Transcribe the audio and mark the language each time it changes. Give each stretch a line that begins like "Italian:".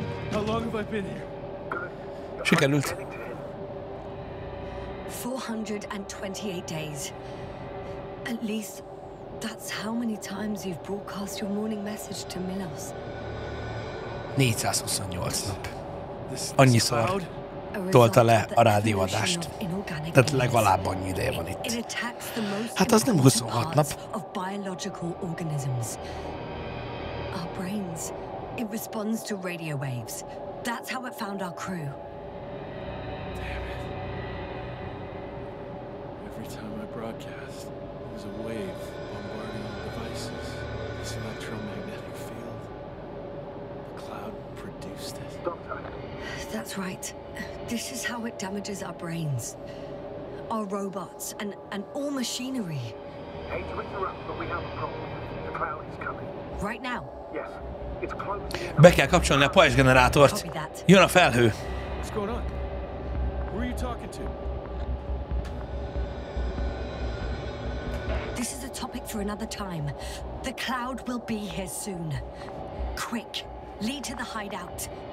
English: How long have I been here?
Hungarian: Sikerült.
English: 428 days. At least that's how many times you've broadcast your morning message to Milos.
Hungarian: 428 nap. Annyiszor tolta le a rádióadást. Tehát legalább annyi ideje van itt. Hát az nem 26 nap.
English: Of biological organisms. Our brains. It responds to radio waves. That's how it found our crew. Damn it. Every time I broadcast, there's a wave bombarding the devices. This electromagnetic field. The cloud produced it. That's right. This is how it damages our brains. Our robots and all machinery. Hey, to interrupt, but we have a problem. The cloud is coming. Right now? Yes.
Hungarian: Be kell kapcsolni a pajzsgenerátort. Jön a felhő.
English: What's going on? Who are you talking to? This is a topic for another time. The cloud will be here soon. Quick, lead to the hideout.